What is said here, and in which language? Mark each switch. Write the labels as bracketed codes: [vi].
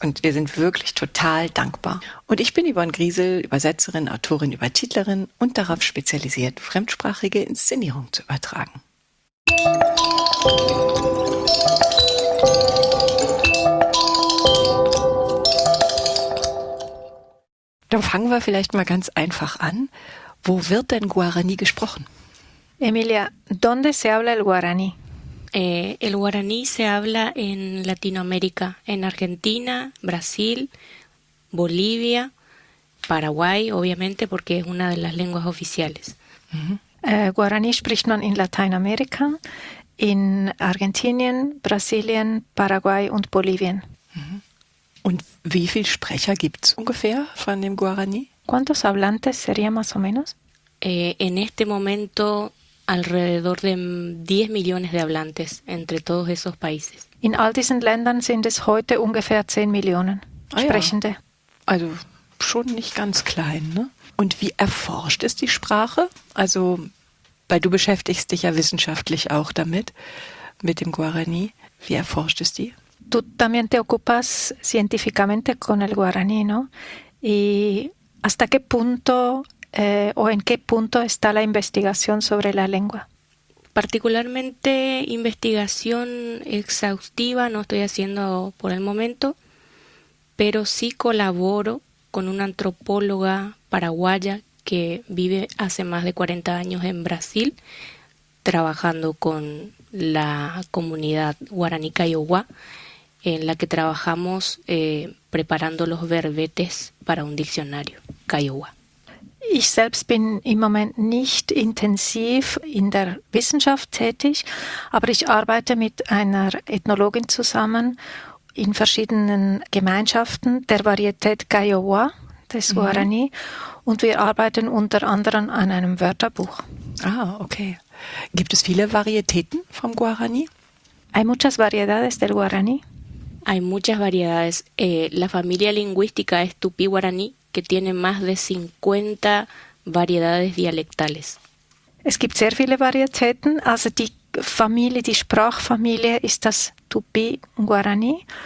[de] Und wir sind wirklich total dankbar. Und ich bin Yvonne Griesel, Übersetzerin, Autorin, Übertitlerin und darauf spezialisiert, fremdsprachige Inszenierungen zu übertragen. Dann fangen wir vielleicht mal ganz einfach an. Wo wird denn Guarani gesprochen? [es] Emilia, ¿dónde se habla el Guarani? El Guarani se habla en Latinoamérica, en Argentina, Brasil, Bolivia, Paraguay, obviamente, porque es una de las lenguas oficiales. [de] Guarani spricht man in Lateinamerika, in Argentinien, Brasilien, Paraguay und Bolivien. Und wie viele Sprecher gibt es ungefähr von dem Guarani? [es] ¿Cuántos hablantes sería más o menos? En este momento alrededor de 10 millones de hablantes entre todos esos países. [de] In all diesen Ländern sind es heute ungefähr 10 Millionen Sprechende. Ja. Also schon nicht ganz klein, ne? Und wie erforscht ist die Sprache? Also, weil du beschäftigst dich ja wissenschaftlich auch damit, mit dem Guarani. Wie erforscht es die? [es] Tú también te ocupas científicamente con el guaraní, ¿no? ¿Y hasta qué punto o en qué punto está la investigación sobre la lengua? Particularmente investigación exhaustiva no estoy haciendo por el momento, pero sí colaboro con una antropóloga paraguaya que vive hace más de 40 años en Brasil, trabajando con la comunidad guaraní Kaiowá, en la que trabajamos preparando los verbetes para un diccionario, Kaiowá. [de] Ich selbst bin im Moment nicht intensiv in der Wissenschaft tätig, aber ich arbeite mit einer Ethnologin zusammen in verschiedenen Gemeinschaften der Varietät Kaiowá, des Guarani, und wir arbeiten unter anderem an einem Wörterbuch. Ah, okay. Gibt es viele Varietäten vom Guarani? [es] Hay muchas variedades del Guarani. Hay muchas variedades. La familia lingüística es Tupi-Guaraní, que tiene más de 50 variedades dialectales. [de] Es gibt sehr viele Varietäten. Also die Familie, die Sprachfamilie ist das Tupi-Guaraní.